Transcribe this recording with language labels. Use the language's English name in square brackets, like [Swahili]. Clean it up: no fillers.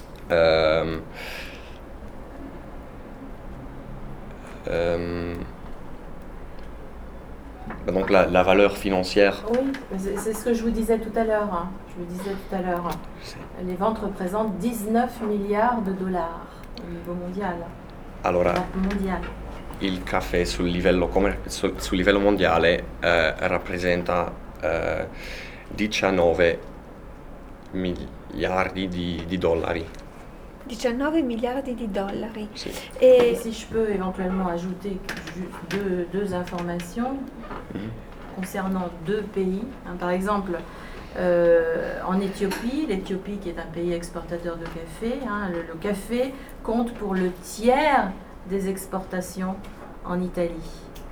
[French] Mm-hmm. Donc la valeur financière. Oui, c'est ce que je vous disais tout à l'heure. Hein. Je vous disais tout à l'heure. Hein. Les ventes représentent 19 milliards de dollars au niveau mondial. Alors, mondial. [Italian] Il café sul livello mondiale rappresenta 19 miliardi di dollari. 19 miliardi di dollari. Sì. [French] Et si je peux éventuellement ajouter deux informations, mm-hmm, concernant deux pays. Hein, par exemple, en Éthiopie, l'Éthiopie qui est un pays exportateur de café, hein, le café compte pour le tiers des exportations en Italie.